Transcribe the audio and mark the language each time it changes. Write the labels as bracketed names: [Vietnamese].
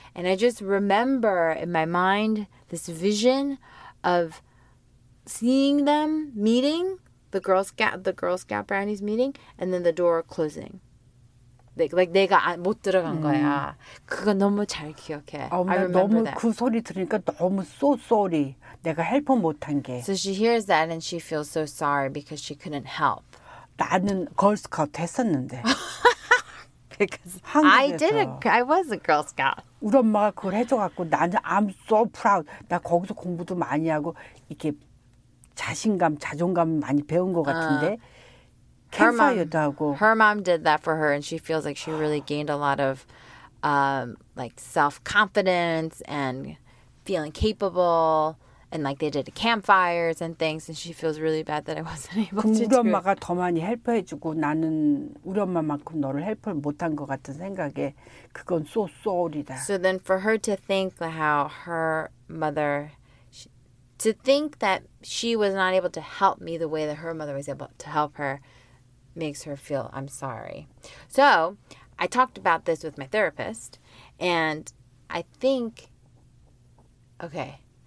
[English] And I just remember in my mind this vision of seeing them meeting, the Girl Scout brownies meeting, and then the door closing. [Korean] Like 내가 못 들어간 거야. 그거 너무 잘 기억해. [English] I remember [Korean] 너무 [English] that. [Korean] 그 소리 들으니까 너무 [English] so sorry. [Korean] 내가 헬퍼 못한 게. [English] So she hears that and she feels so sorry because she couldn't help. [Korean] 나는 걸스카우트 했었는데. [English] Because [Korean] 한국에서. [English] I was a Girl Scout. [Korean] 우리 엄마가 그걸 해줘갖고 나는 [English] I'm so proud. [Korean] 나 거기서 공부도 많이 하고 이렇게 자신감, 자존감 많이 배운 것 같은데. [English] Her mom did that for her, and she feels like she really gained a lot of like self-confidence and feeling capable. And like they did campfires and things, and she feels really bad that I wasn't able to do it. [Korean] 우리 엄마가 더 많이 헬퍼해주고 나는 우리 엄마만큼 너를 헬퍼를 못한 것 같은 생각에 그건 [English] so sorry [Korean] 다. [English] So then for her to think how her mother, to think that she was not able to help me the way that her mother was able to help her makes her feel I'm sorry. So I talked about this with my therapist, and I think, okay.